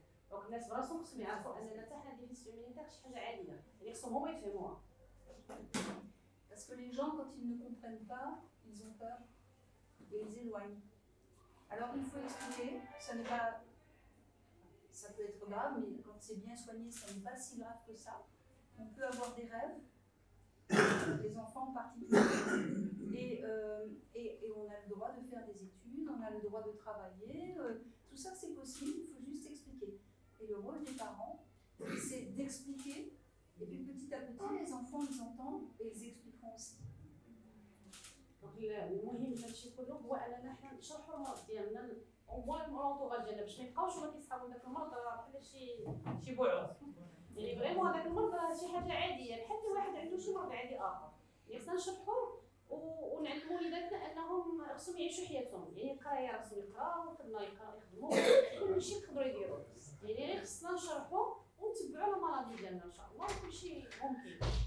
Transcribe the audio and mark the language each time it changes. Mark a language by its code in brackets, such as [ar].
[ar] دونك الناس براسهم خصهم يعرفوا اننا حتى حنا ديال السيمينيتير شي حاجه عاديه يعني خصهم هما يفهموها [fr] باسكو لي جون كونت يل نو كومبرين با ils ont peur et ils éloignent alors il faut expliquer ça n'est pas ça peut être grave mais quand c'est bien soigné ça n'est pas si grave que ça on peut avoir des rêves les enfants en particulier et on a le droit de faire des études on a le droit de travailler tout ça c'est possible il faut juste expliquer et le rôle des parents c'est d'expliquer et puis petit à petit les enfants ils entendent et ils expliqueront aussi [ar] donc le مهم هادشي كله هو اننا حنا نشرحوا المرض ديالنا اوموان مرونطوغ ديالنا باش ما يبقاوش غادي يصحابوا داك المرض بحال شي بعوض يعني فريمون هذاك المرض شي حاجه عاديه حتى واحد عنده شي مرض عادي اخر خصنا نشرحوا ونعلموا وليداتنا انهم خصهم يعيشوا حياتهم يعني القرايه خصهم يقراو قبل ما يخدموا كلشي يقدروا يديروا يعني غير خصنا نشرحوا ونتبعوا لا مرضي ديالنا ان شاء الله كلشي ممكن